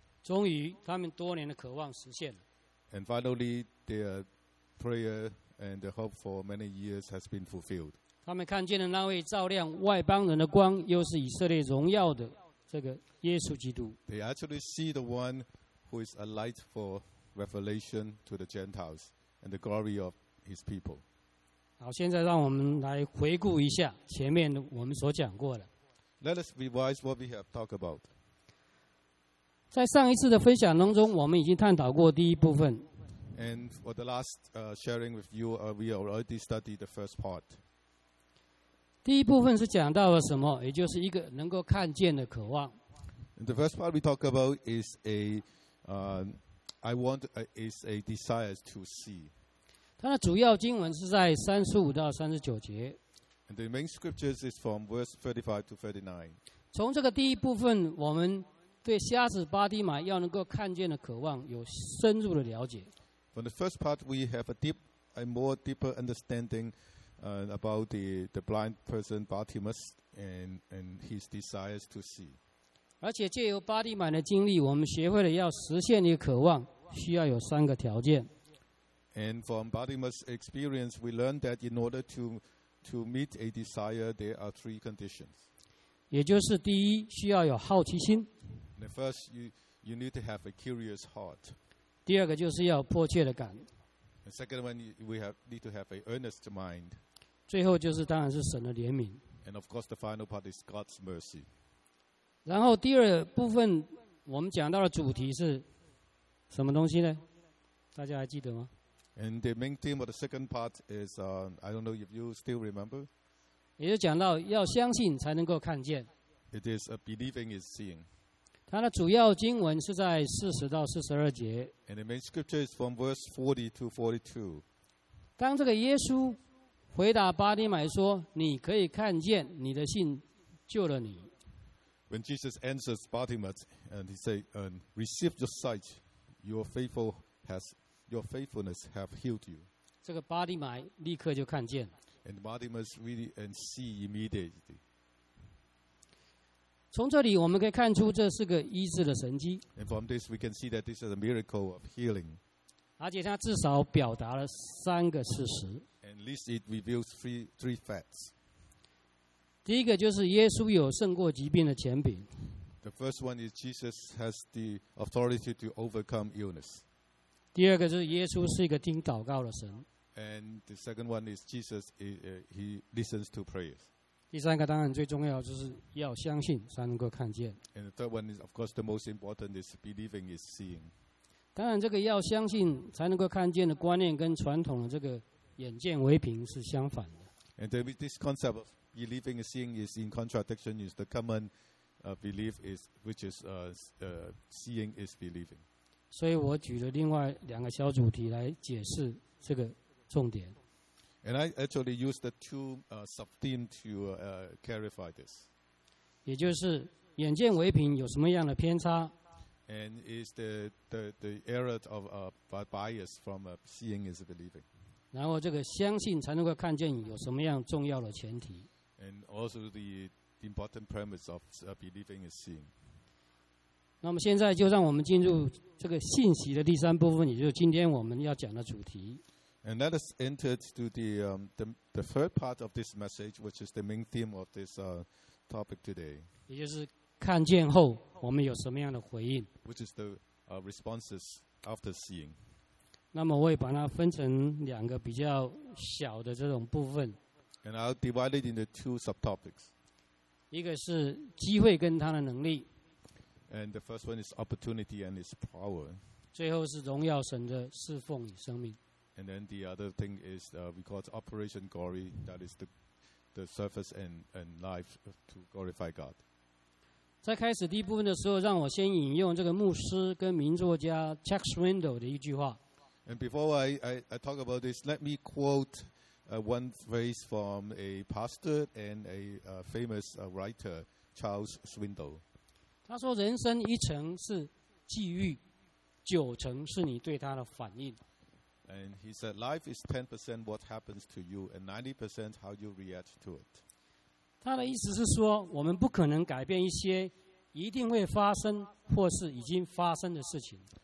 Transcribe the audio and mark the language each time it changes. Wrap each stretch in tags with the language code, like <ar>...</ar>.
<zh>终于，他们多年的渴望实现了。</zh> <en>And finally, their prayer and the hope for many years has been fulfilled.</en> <zh>他们看见了那位照亮外邦人的光，又是以色列荣耀的这个耶稣基督。</zh> <en>They actually see the one who is a light for revelation to the Gentiles and the glory of his people.</en> <zh>好，现在让我们来回顾一下前面我们所讲过的。</zh> <en>Let us revise what we have talked about.</en> <zh>在上一次的分享当中，我们已经探讨过第一部分。</zh> <en>And for the last sharing with you, we already studied the first part.</en> <zh>第一部分是讲到了什么？也就是一个能够看见的渴望。</zh> <en>And the first part we talk about is a, I want is a desire to see.</en> <zh>它的主要经文是在三十五到三十九节。</zh> <en>And the main scriptures is from verse 35 to 39.</en> <zh>从这个第一部分，我们对瞎子巴迪买要能够看见的渴望有深入的了解。</zh> <en>From the first part, we have a more deeper understanding, about the blind person Bartimaeus and his desires to see.</en> <zh>而且借由巴迪买的经历，我们学会了要实现一个渴望，需要有三个条件。</zh> <en>And from Bartimaeus' experience, we learned that in order to meet a desire, there are three conditions.</en> <zh>也就是第一，需要有好奇心。</zh> <en>The first, you need to have a curious heart.</en> <zh>第二个就是要迫切的感。</zh> <en>The second one, need to have an earnest mind.</en> <zh>最后就是当然是神的怜悯。</zh> <en>And of course, the final part is God's mercy.</en> <zh>然后第二部分，我们讲到的主题是什么东西呢？大家还记得吗？</zh> <en>And the main theme of the second part is, I don't know if you still remember.</en> <zh>也就讲到要相信才能够看见。</zh> <en>It is a believing is seeing.</en> <zh>它的主要经文是在四十到四十二节。</zh> <en>And the main scripture is from verse 40 to 42.</en> <zh>当这个耶稣回答巴迪买说：“你可以看见，你的信救了你。”</zh> <en>When Jesus answers Bartimaeus, and he say, "Receive your sight, your faithful has." Your faithfulness have healed you.</en> <zh>这个巴迪买立刻就看见。</zh> <en>And Bartimaeus really and see immediately.</en> <zh>从这里我们可以看出这是个医治的神迹。</zh> <en>And from this we can see that this is a miracle of healing.</en> <zh>而且它至少表达了三个事实。</zh> <en>And at least it reveals three facts.</en> <zh>第一个就是耶稣有胜过疾病的权柄。</zh> <en>The first one is Jesus has the authority to overcome illness.</en> <zh>第二个就是耶稣是一个听祷告的神。</zh> <en>And the second one is Jesus, he listens to prayers.</en> <zh>第三个当然最重要就是要相信才能够看见。</zh> <en>And the third one is, of course, the most important is believing is seeing.</en> <zh>当然这个要相信才能够看见的观念跟传统的这个眼见为凭是相反的。</zh> <en>And this concept of believing and seeing is in contradiction is the common belief is, which is seeing is believing.</en> <zh>所以我举了另外两个小主题来解释这个重点。</zh> <en>And I actually use the two sub-themes to clarify this.</en> <zh>也就是眼见为凭有什么样的偏差。</zh> <en>And is the error of bias from seeing is believing.</en> <zh>然后这个相信才能够看见有什么样重要的前提。</zh> <en>And also the important premise of believing is seeing.</en> <zh>那么现在就让我们进入这个信息的第三部分，也就是今天我们要讲的主题。</zh> <en>And let us enter to the third part of this message, which is the main theme of this topic today.</en> <zh>也就是看见后我们有什么样的回应。</zh> <en>Which is the responses after seeing.</en> <zh>那么我也把它分成两个比较小的这种部分。</zh> <en>And I'll divide it into two subtopics.</en> <zh>一个是机会跟它的能力。</zh> <en>And the first one is opportunity and its power.</en> <zh>最后是荣耀神的侍奉与生命。</zh> <en>And then the other thing is we call it Operation Glory, that is the service and life to glorify God.</en> <zh>在开始第一部分的时候，让我先引用这个牧师跟名作家 Chuck Swindoll 的一句话。</zh> <en>And before I talk about this, let me quote one phrase from a pastor and a famous writer, Charles Swindoll.</en> <zh>他说：“人生一成是际遇，九成是你对他的反应。”</zh> <en>And he said, "Life is 10% what happens to you, and 90% how you react to it."</en> <zh>他的意思是说，我们不可能改变一些一定会发生或是已经发生的事情。</zh>